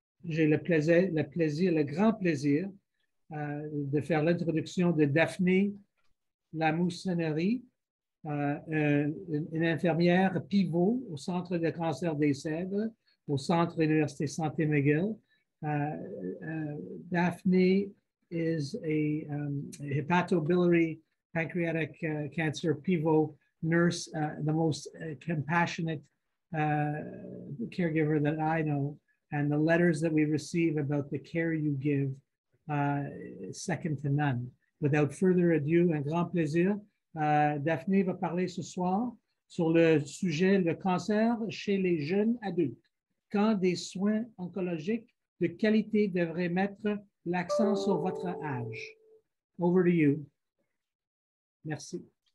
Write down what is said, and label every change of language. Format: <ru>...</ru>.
<fr>J'ai le grand plaisir de faire l'introduction de Daphné Lamoussinerie, une infirmière pivot au Centre de cancer des Sèvres, au Centre Université Santé McGill.</fr> <en>Daphné is a hepatobiliary pancreatic cancer pivot nurse, the most compassionate caregiver that I know, and the letters that we receive about the care you give, second to none. Without further ado,</en> <fr>un grand plaisir. Daphné va parler ce soir sur le sujet le cancer chez les jeunes adultes. Quand des soins oncologiques de qualité devraient mettre l'accent sur votre âge.</fr> <en>Over to you. Merci.</en>